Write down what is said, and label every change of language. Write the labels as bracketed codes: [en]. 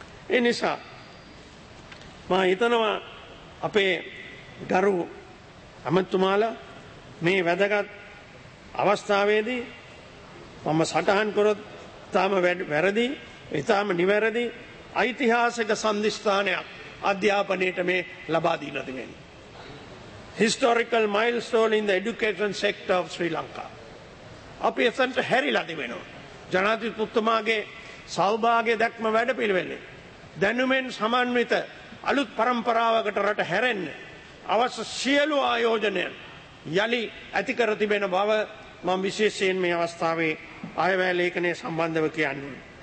[si] ඒ නිසා මා හිතනවා අපේ ගරු ඇමතිතුමාලා මේ වැදගත් අවස්ථාවේදී මම සටහන් කරොත් ඉතාම වැරදි, ඉතාම නිවැරදි ඓතිහාසික සම්දිස්ථානයක් අධ්‍යාපනයට මේ ලබා දීලා තිබෙනවා. [en] Historical milestone in the education sector of Sri Lanka. [si] අපි එතනට හැරිලා තිබෙනවා. ජනාධිපතිතුමාගේ සෞභාග්‍ය දැක්ම වැඩපිළිවෙලේ දැනුමෙන් සමන්විත අලුත් පරම්පරාවකට රට හැරෙන්න අවශ්‍ය සියලු ආයෝජනය යළි ඇති කර තිබෙන බව මම විශේෂයෙන් මේ අවස්ථාවේ අයවැය ලේඛනයේ සම්බන්ධව කියන්නේ.